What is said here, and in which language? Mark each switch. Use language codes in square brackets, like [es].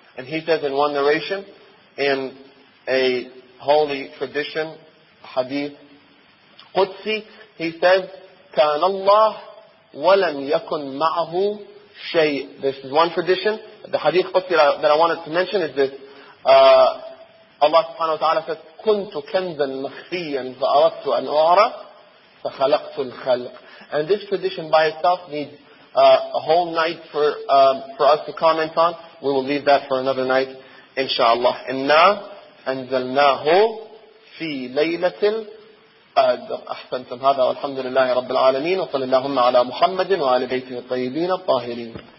[en] And he says in one narration, in a holy tradition, hadith, Qudsi, he says, [ar] كَانَ اللَّهُ وَلَمْ يَكُنْ مَعْهُ شَيْءٍ. [en] This is one tradition. The hadith Qudsi that I wanted to mention is this. Allah subhanahu wa ta'ala says, [ar] كُنْتُ كَنْزًا مَخْفِيًا فَأَرَدْتُ أَنْ أُعْرَى فَخَلَقْتُ الْخَلْقِ. [en] And this tradition by itself needs a whole night for us to comment on. We will leave that for another night, inshallah. [ar] إِنَّا أَنْزَلْنَاهُ فِي لَيْلَةٍ أحسنتم هذا والحمد لله رب العالمين وصلى اللهم على محمد وعلى بيته الطيبين الطاهرين.